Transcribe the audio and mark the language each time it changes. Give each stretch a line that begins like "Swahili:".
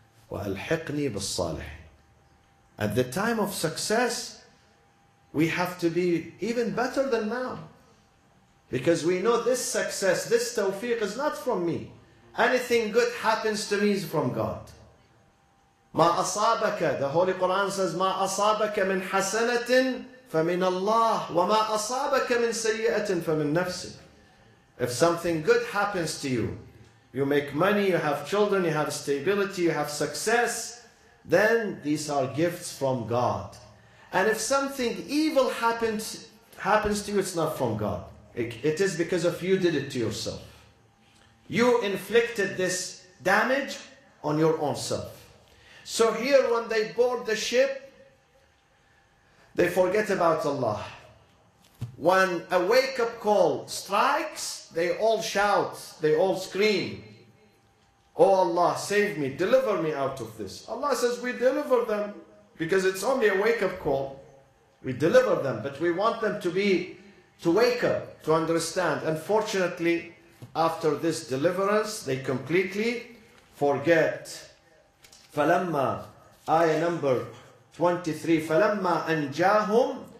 Arabic: وَأَلْحِقْنِي بِالصَّالِحِ.
English: At the time of success, we have to be even better than now. Because we know this success, this tawfiq is not from me. Anything good happens to me is from God.
Arabic: مَا أَصَابَكَ. The Holy Quran says, مَا أَصَابَكَ مِنْ حَسَنَةٍ فَمِنَ اللَّهِ وَمَا أَصَابَكَ مِنْ سَيِّئَةٍ فَمِنْ نَفْسِكَ.
English: If something good happens to you, you make money, you have children, you have stability, you have success, then these are gifts from God. And if something evil happens to you, it's not from God. It is because of you did it to yourself. You inflicted this damage on your own self. So here when they board the ship, they forget about Allah. When a wake-up call strikes, they all shout, they all scream, oh Allah, save me, deliver me out of this. Allah says, we deliver them, because it's only a wake-up call. We deliver them, but we want them to wake up, to understand. Unfortunately, after this deliverance, they completely forget.
Arabic: فَلَمَّا, ayah number 23, فَلَمَّا أَنْجَاهُمْ.